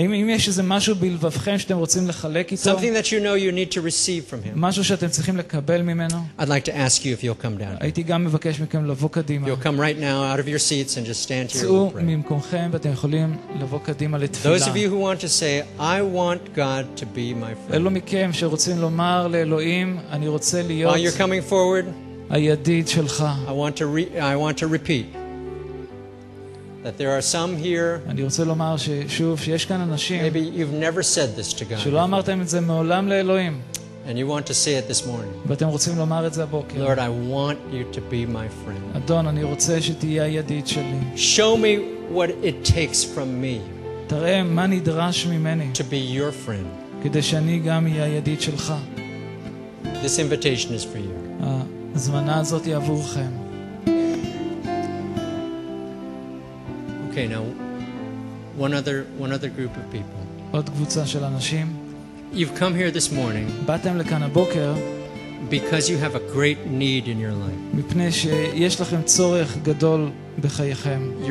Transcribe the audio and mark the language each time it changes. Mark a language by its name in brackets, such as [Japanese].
[Hebrew] אם יש איזה משהו בלבבכם שאתם רוצים לחלק איתו. [English] Something that you know you need to receive from him. [Hebrew] משהו שאתם צריכים לקבל ממנו. [English] I'd like to ask you if you'll come down. [Hebrew] הייתי גם מבקש מכם לבוא קדימה. [English] You'll come right now out of your seats and just stand here. [Hebrew] צאו ממקומכם ואתם יכולים לבוא קדימה לתפילה. [English] Those of you who want to say I want God to be my friend. [Hebrew] אלו מכם שרוצים לומר לאלוהים אני רוצה להיות [English] While you're coming forward [Hebrew] הידיד שלך [English] I want to repeat that there are some here [Hebrew] אני רוצה לומר ששוב שיש כאן אנשים [English] Maybe you've never said this to God [Hebrew] שלא אמרתם את זה מעולם לאלוהים [English] And you want to say it this morning [Hebrew] ואתם רוצים לומר את זה הבוקר [English] Lord I want you to be my friend [Hebrew] אדון אני רוצה שתהיה הידיד שלי [English] Show me what it takes from me [Hebrew] תראה מה נדרש ממני [English] to be your friend [Hebrew] כדי שאני גם אהיה הידיד שלך [English] This invitation is for you. [Hebrew] הזמנה הזאת היא עבורכם. [English] Okay, now one other group of people. [Hebrew] עוד קבוצה של אנשים. [English] You've come here this morning. [Hebrew] באתם לכאן הבוקר [English] because you have a great need in your life. [Hebrew] מפני שיש לכם צורך גדול בחייכם.